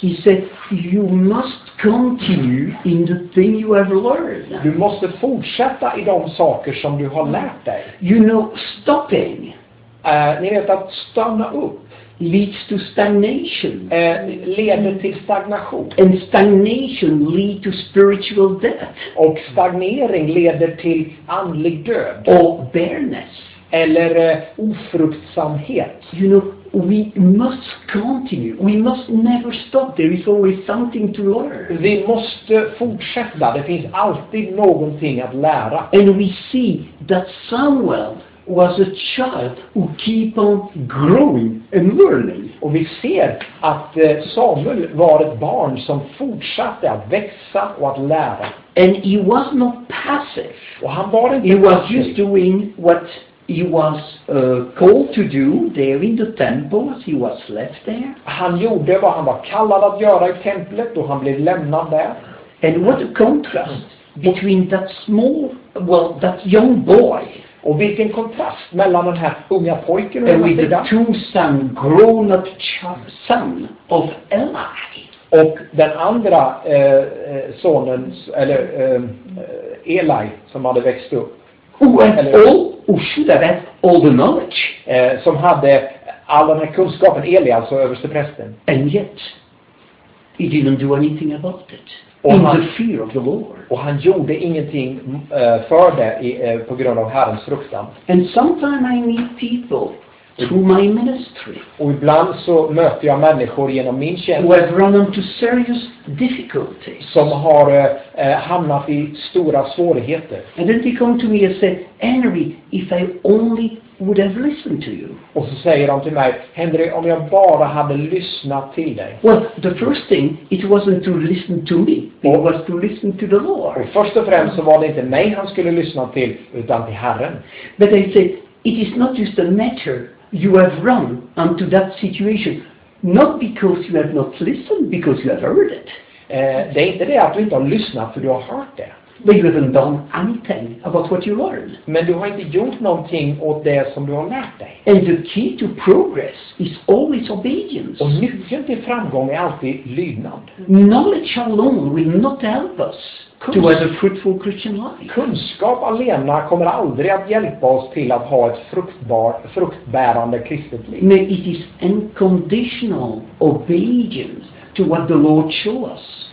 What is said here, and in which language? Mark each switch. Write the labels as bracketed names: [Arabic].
[English] He said, you must continue in the thing you have learned. [Swedish] Du måste fortsätta i de saker som du har lärt dig. [English] You know, stopping. [Swedish] Ni vet att stanna upp [English] leads to stagnation. [Swedish] Leder till stagnation. [English] And stagnation lead to spiritual death. [Swedish] Och stagnering leder till andlig död. [English] Or barrenness. [Swedish] Eller ofruktsamhet. [English] You know, we must continue. We must never stop. There is always something to learn. [Swedish] Vi måste fortsätta. Det finns alltid någonting att lära. [English] And we see that Samuel was a child who keep on growing and learning. [Swedish] Och vi ser att Samuel var ett barn som fortsatte att växa och att lära. [English] And he was not passive. [Swedish] Och han var inte [English] he was just doing what he was called to do there in the temple as he was left there. [Swedish] Han gjorde vad han var kallad att göra i templet och han blev lämnad där. [English] And what a contrast between that small, well, that young boy. [Swedish] Och vilken kontrast mellan den här unga pojken och den här [English] two son, grown up son of Eli. [Swedish] Och den andra sonen, eller Eli, som hade växt upp. [English] Who had all, who should have had all the knowledge. [Swedish] Som hade all den här kunskapen, Eli, alltså översteprästen. [English] And yet, he didn't do anything about it. [Swedish] Och in han, [English] the fear of the Lord. [Swedish] Och han gjorde ingenting för det på grund av Herrens fruktan. [English] And sometimes I meet people through my ministry. [Swedish] Och ibland så möter jag människor genom min tjänst. [English] Who have run into serious difficulties. [Swedish] Som har hamnat i stora svårigheter. [English] And then they come to me and say, Henry, if I only would have listened to you. [Swedish] Och så säger de till mig, Henry, om jag bara hade lyssnat till dig. [English] Well, the first thing, it wasn't to listen to me, it was to listen to the Lord. [Swedish] Och först och främst så var det inte mig han skulle lyssna till, utan till Herren. [English] But they say, it is not just a matter you have run into that situation, not because you have not listened, because you have heard it. [Swedish] Det är inte det att du inte har lyssnat, för du har hört det. [English] But you haven't done anything about what you learned. [Swedish] Men du har inte gjort någonting åt det som du har lärt dig. [English] And the key to progress is always obedience. [Swedish] Och nyckeln till framgång är alltid lydnad. [English] Knowledge alone will not help us to have a fruitful Christian life. [Swedish] Kunskap alena kommer aldrig att hjälpa oss till att ha ett fruktbärande kristet liv. [English] Nej, it is unconditional obedience to what the Lord shows us.